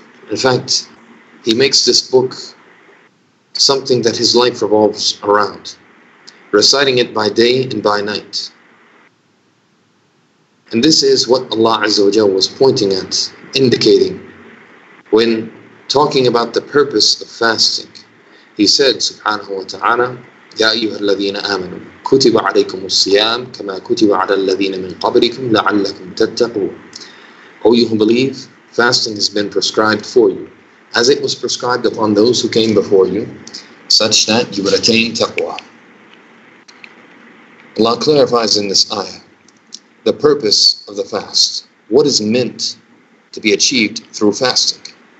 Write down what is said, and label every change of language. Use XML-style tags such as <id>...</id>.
<en>In fact, he makes this book something that his life revolves around, reciting it by day and by night. And this is what Allah Azza wa Jalla was pointing at, indicating, when talking about the purpose of fasting. He said,</en> <ar>Subhanahu wa ta'ala, يا أيها الذين آمنوا كتب عليكم الصيام كما كتب على الذين من قبلكم لعلكم تتقون.</ar> <en>O you who believe, fasting has been prescribed for you, as it was prescribed upon those who came before you, such that you would attain taqwa. Allah clarifies in this ayah the purpose of the fast. What is meant to be achieved through fasting?</en>